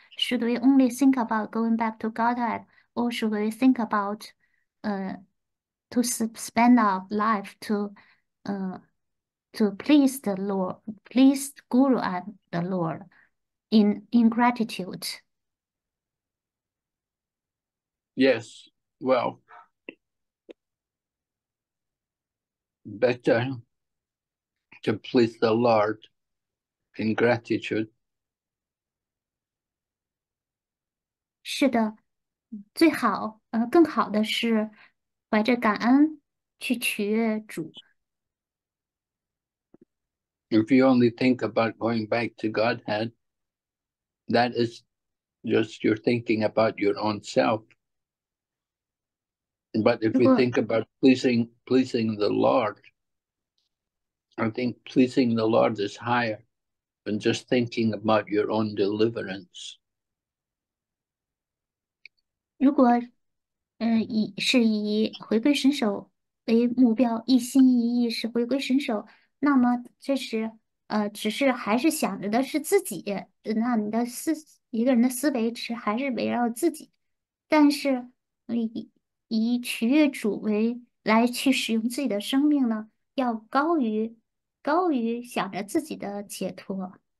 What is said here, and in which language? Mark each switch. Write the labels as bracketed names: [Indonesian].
[English] Should we only think about going back to Godhead, or should we think about to spend our life to please the Lord, please Guru and the Lord in gratitude? Yes, well, better to please the Lord in gratitude. [Chinese] 是的，最好，更好的是怀着感恩去取悦主。 [English] If you only think about going back to Godhead, that is just you're thinking about your own self. But if [Chinese] 如 [English] we [Chinese] 果 [English] think about pleasing the Lord, I think pleasing the Lord is higher than just thinking about your own deliverance. [Chinese] 如果，以回归神手为目标，一心一意是回归神手，那么这时，只是还是想着的是自己，那你的思一个人的思维是还是围绕自己，但是以取悦主为来去使用自己的生命呢，要高于想着自己的解脱。